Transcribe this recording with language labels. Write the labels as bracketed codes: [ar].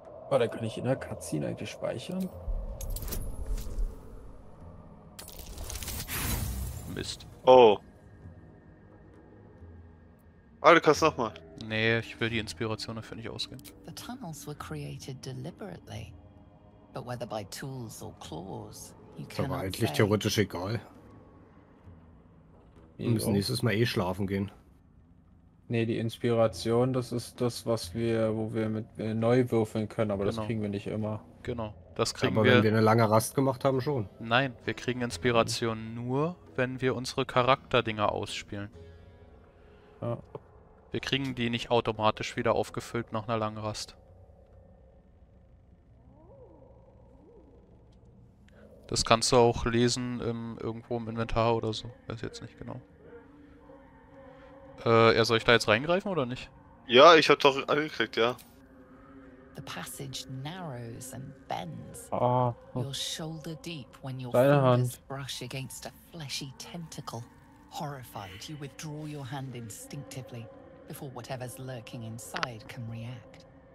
[de] Oh, da kann ich in der Cutscene eigentlich speichern. Mist. Oh. Ah, du kannst nochmal. Nee, ich will die Inspiration dafür nicht ausgehen. [en] The tunnels were created deliberately. But whether by tools or claws, you cannot. [de] Aber eigentlich theoretisch egal. Wir müssen nächstes Mal eh schlafen gehen. Nee, die Inspiration, das ist das, was wir, wo wir mit neu würfeln können, aber genau. Das kriegen wir nicht immer. Genau. Das kriegen aber wir. Wenn wir eine lange Rast gemacht haben, schon. Nein, wir kriegen Inspiration nur, wenn wir unsere Charakterdinger ausspielen. Ja. Wir kriegen die nicht automatisch wieder aufgefüllt nach einer langen Rast. Das kannst du auch lesen irgendwo im Inventar oder so. Weiß jetzt nicht genau. Soll ich da jetzt reingreifen oder nicht? Ja, ich hab doch angekriegt, ja. [en] The passage narrows and bends. Your shoulder deep when your fingers brush against a fleshy tentacle. Horrified, you withdraw your hand instinctively before whatever's lurking inside can react.